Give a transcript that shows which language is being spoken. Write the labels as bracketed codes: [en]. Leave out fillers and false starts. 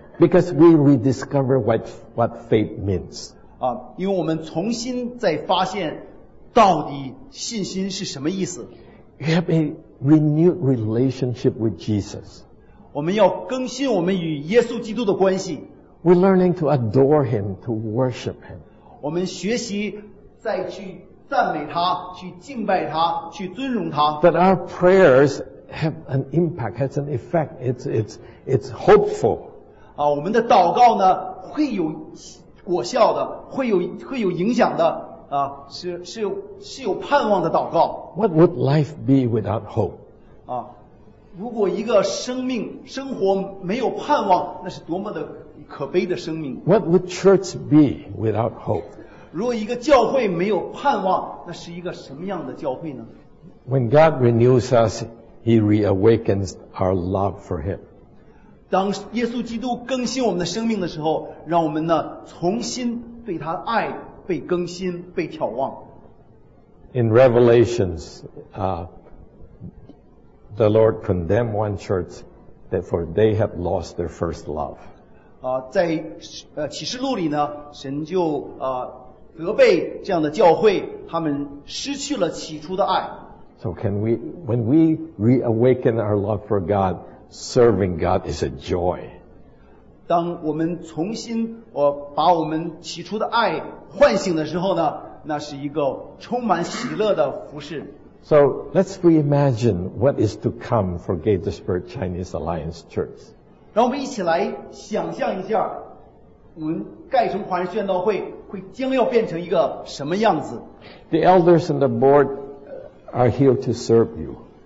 [en] Because we rediscover what faith means. [zh] 因为我们重新再发现到底信心是什么意思。 [en] We have a renewed relationship with Jesus. [zh] 我们要更新我们与耶稣基督的关系。 [en] We're learning to adore him, to worship him. [zh] 我们学习再去赞美他，去敬拜他，去尊荣他。 [en] That our prayers have an impact, has an effect. It's hopeful. [zh] 我们的祷告呢会有果效的，会有影响的，是有盼望的祷告。 [en] What would life be without hope? [zh] 如果一个生活没有盼望，那是多么的可悲的生命。 [en] What would church be without hope? [zh] 如果一个教会没有盼望，那是一个什么样的教会呢？ [en] When God renews us, He reawakens our love for Him. [zh] 当耶稣基督更新我们的生命的时候，让我们呢重新对他的爱被更新，被眺望。 [en] In Revelations, the Lord condemned one church that for they have lost their first love. [zh] 在启示录里呢，神就责备这样的教会，他们失去了起初的爱。 [en] So can we, when we reawaken our love for God, serving God is a joy. [zh] 当我们重新把我们起初的爱唤醒的时候呢，那是一个充满喜乐的服事。 [en] So let's reimagine what is to come for Gaithersburg Chinese Alliance Church. [zh] 让我们一起来想象一下，我们盖城华人宣道会会将要变成一个什么样子。 [en] The elders and the board are here to serve you.